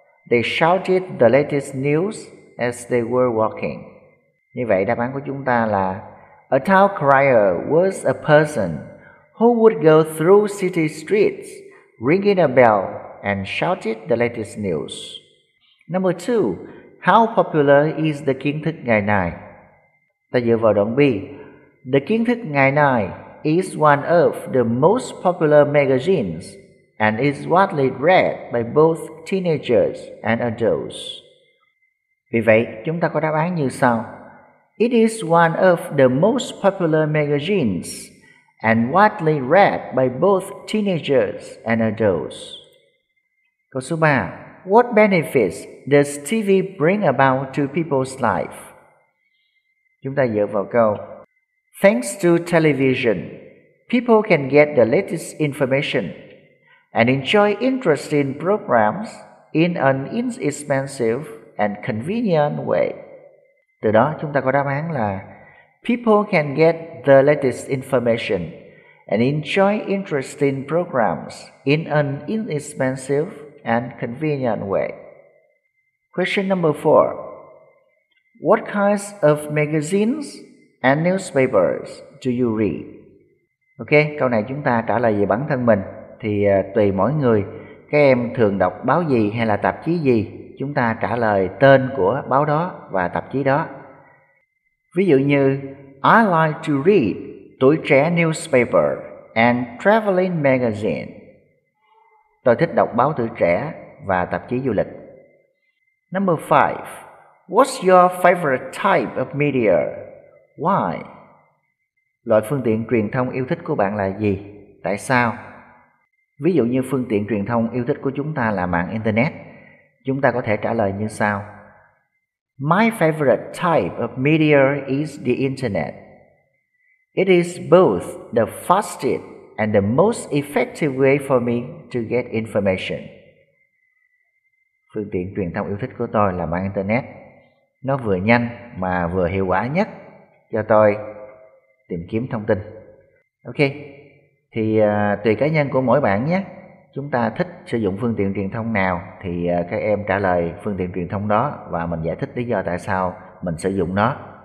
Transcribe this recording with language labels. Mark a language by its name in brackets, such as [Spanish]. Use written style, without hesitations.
[English] They shouted the latest news as they were walking. [Vietnamese] Như vậy, đáp án của chúng ta là [English] a town crier was a person who would go through city streets, ringing a bell and shouted the latest news. Number 2. How popular is the kiến thức ngày nay? [Vietnamese] Ta dựa vào đoạn B. [English] The kiến thức ngày nay is one of the most popular magazines and is widely read by both teenagers and adults. [Vietnamese] Vì vậy, chúng ta có đáp án như sau. [English] It is one of the most popular magazines and widely read by both teenagers and adults. [Vietnamese] Câu số 3. [English] What benefits does TV bring about to people's life? [Vietnamese] Chúng ta dựa vào câu. [English] Thanks to television, people can get the latest information and enjoy interesting programs in an inexpensive and convenient way. [Vietnamese] Từ đó chúng ta có đáp án là [English] people can get the latest information and enjoy interesting programs in an inexpensive and convenient way. Question number 4. What kinds of magazines and newspapers do you read? [Vietnamese] Ok, câu này chúng ta trả lời về bản thân mình. Thì tùy mỗi người, các em thường đọc báo gì hay là tạp chí gì, chúng ta trả lời tên của báo đó và tạp chí đó. Ví dụ như, [English] I like to read Tuổi Trẻ Newspaper and Traveling Magazine. [Vietnamese] Tôi thích đọc báo Tuổi Trẻ và tạp chí du lịch. [English] Number 5. What's your favorite type of media? Why? [Vietnamese] Loại phương tiện truyền thông yêu thích của bạn là gì? Tại sao? Ví dụ như phương tiện truyền thông yêu thích của chúng ta là mạng Internet. Chúng ta có thể trả lời như sau. [English] My favorite type of media is the Internet. It is both the fastest and the most effective way for me to get information. [Vietnamese] Phương tiện truyền thông yêu thích của tôi là mạng Internet. Nó vừa nhanh mà vừa hiệu quả nhất cho tôi tìm kiếm thông tin. Ok, thì tùy cá nhân của mỗi bạn nhé. Chúng ta thích sử dụng phương tiện truyền thông nào thì các em trả lời phương tiện truyền thông đó và mình giải thích lý do tại sao mình sử dụng nó.